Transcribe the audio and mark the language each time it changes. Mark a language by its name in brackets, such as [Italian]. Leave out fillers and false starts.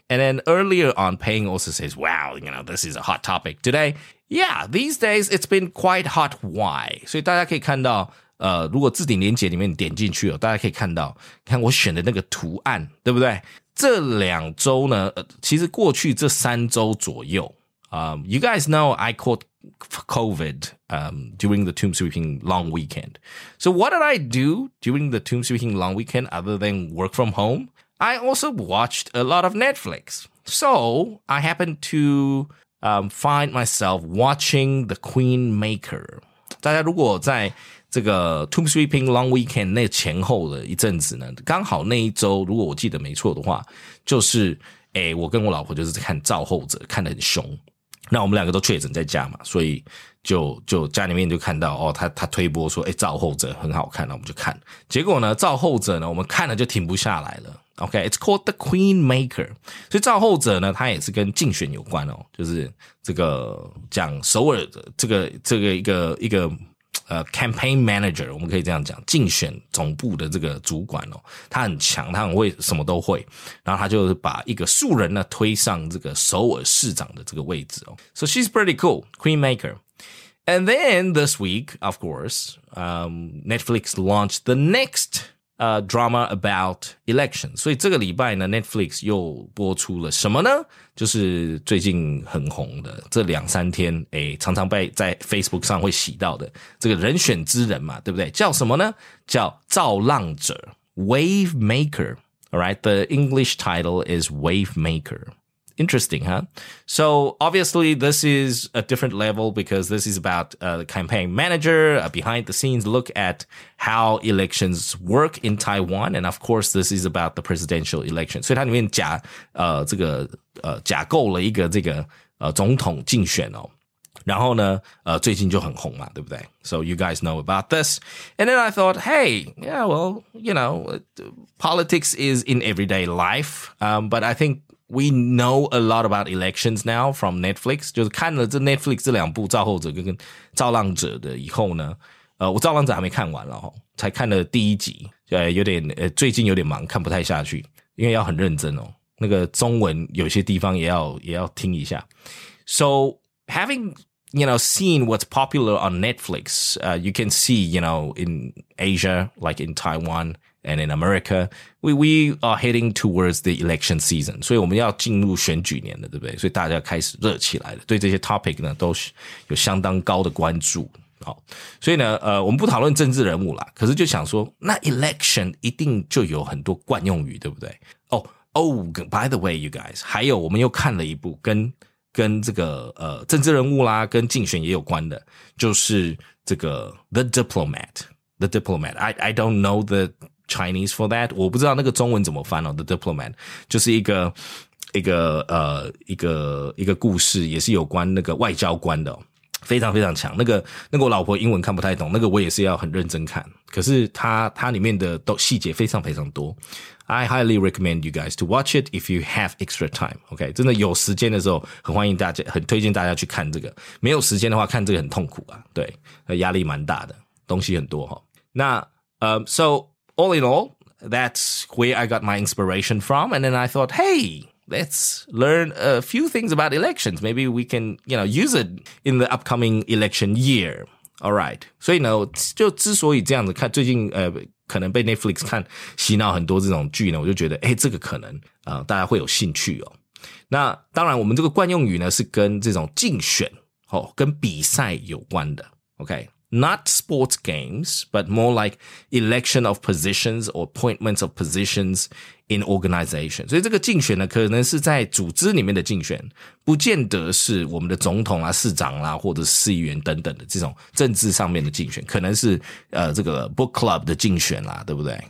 [English] And then earlier on, Peng also says, wow, you know, this is a hot topic today. Yeah, these days it's been quite hot. Why? [Chinese] 所以大家可以看到如果字典连结里面点进去，大家可以看到看我选的那个图案，对不对？这两周呢，其实过去这三周左右 [English] you guys know I caught COVID during the tomb sweeping long weekend. So what did I do during the tomb sweeping long weekend other than work from home? I also watched a lot of Netflix. So I happened to find myself watching The Queen Maker. [Chinese] 大家如果在这个 [English] Tomb Sweeping Long Weekend [Chinese] 那前后的一阵子呢，刚好那一周如果我记得没错的话，就是我跟我老婆就是看造后者看得很凶，那我们两个都确诊在家嘛，所以就家里面就看到哦，他推播说造后者很好看，那我们就看，结果呢造后者呢我们看了就停不下来了。 [English] OK, it's called The Queen Maker. [Chinese] 所以造后者呢他也是跟竞选有关哦，就是这个讲首尔的这个一个campaign manager, 我们可以这样讲，竞选总部的这个主管哦，他很强，他很会，什么都会。然后他就把一个素人呢推上这个首尔市长的这个位置哦。 [English] So she's pretty cool, Queen Maker. And then this week, of course, Netflix launched the next, drama about elections. [Chinese] 所以这个礼拜呢 ,Netflix 又播出了什么呢？就是最近很红的这两三天常常被在 Facebook 上会洗到的这个人选之人嘛，对不对？叫什么呢？叫造浪者 [English] ,Wave Maker. Alright, the English title is Wave Maker. Interesting, huh? So obviously this is a different level because this is about a campaign manager, a behind the scenes look at how elections work in Taiwan. And of course, this is about the presidential election. [Chinese] 所以它里面假构了一个这个总统竞选哦。然后呢最近就很红嘛，对不对？ [English] So you guys know about this. And then I thought, hey, yeah, well, you know, politics is in everyday life. But I think we know a lot about elections now from Netflix. [Chinese] 就是看了这 Netflix 这两部造后者跟造浪者的以后呢我造浪者还没看完了，才看了第一集，有点最近有点忙，看不太下去，因为要很认真哦，那个中文有些地方也要听一下。 [English] So having, you know, seen what's popular on Netflix, you can see, you know, in Asia, like in Taiwan,And in America, we are heading towards the election season. [Chinese] 所以我们要进入选举年了，对不对？所以大家开始热起来了，对这些 topic 呢都有相当高的关注。好，所以呢，我们不讨论政治人物啦，可是就想说，那 election 一定就有很多惯用语，对不对？哦 ， [English] by the way, you guys, [Chinese] 还有我们又看了一部跟这个政治人物啦，跟竞选也有关的，就是这个 The Diplomat, The Diplomat. [English] I don't know theChinese for that, [Chinese] 我不知道那个中文怎么翻哦。 The Diplomat 就是一个故事，也是有关那个外交官的，非常非常强。那个我老婆英文看不太懂，那个我也是要很认真看。可是它里面的细节非常非常多。 [English] I highly recommend you guys to watch it if you have extra time. [Chinese] OK, 真的有时间的时候，很推荐大家去看这个。没有时间的话，看这个很痛苦啊，对，压力蛮大的，东西很多哈。那so. [English] All in all, that's where I got my inspiration from. And then I thought, hey, let's learn a few things about elections. Maybe we can, you know, use it in the upcoming election year. All right. [Chinese] 所以呢，就之所以这样子看，最近可能被 Netflix 看洗脑很多这种剧呢，我就觉得，这个可能大家会有兴趣哦。那当然，我们这个惯用语呢是跟这种竞选哦，跟比赛有关的。 [English] OK. Not sports games, but more like election of positions or appointments of positions in organizations. [Chinese] 所以这个竞选呢，可能是在组织里面的竞选，不见得是我们的总统啊、市长啊，或者市议员等等的这种政治上面的竞选，可能是这个 book club 的竞选啦，对不对？